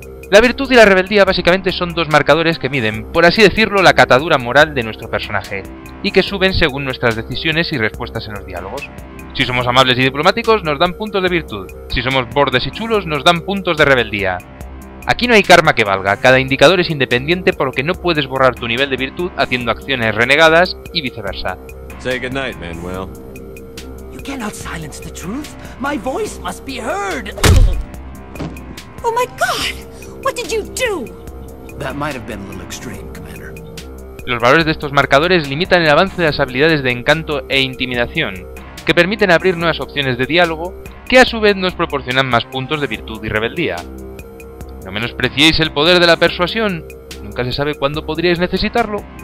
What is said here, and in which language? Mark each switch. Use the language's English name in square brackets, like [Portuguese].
[Spanish] La virtud y la rebeldía básicamente son dos marcadores que miden, por así decirlo, la catadura moral de nuestro personaje y que suben según nuestras decisiones y respuestas en los diálogos. Si somos amables y diplomáticos, nos dan puntos de virtud. Si somos bordes y chulos, nos dan puntos de rebeldía. Aquí no hay karma que valga, cada indicador es independiente por lo que no puedes borrar tu nivel de virtud haciendo acciones renegadas y viceversa. [English] Say goodnight, Manuel. You cannot silence the truth. My voice must be heard. Oh my god. What did you do? That might have been a little extreme, Commander. [Spanish] Los valores de estos marcadores limitan el avance de las habilidades de encanto e intimidación, que permiten abrir nuevas opciones de diálogo, que a su vez nos proporcionan más puntos de virtud y rebeldía. No menospreciéis el poder de la persuasión, nunca se sabe cuándo podríais necesitarlo.